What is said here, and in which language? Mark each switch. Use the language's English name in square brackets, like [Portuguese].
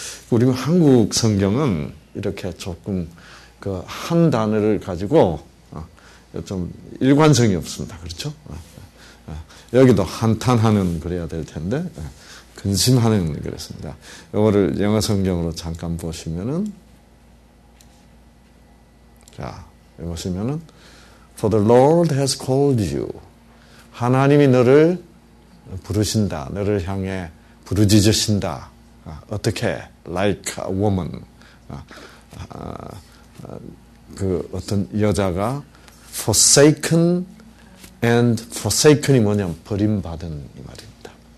[Korean] 우리 한국 성경은 이렇게 조금 그 한 단어를 가지고 좀 일관성이 없습니다. 그렇죠? 여기도 한탄하는 그래야 될 텐데 근심하는 그랬습니다. 이거를 영어 성경으로 잠깐 보시면은. 자, 보시면은 [English] For the Lord has called you. [Korean] 하나님이 너를 부르신다. 너를 향해 부르짖으신다. 어떻게? [English] Like a woman. [Korean] 그 어떤 여자가 forsaken and forsaken이 뭐냐면 버림받은 이 말입니다.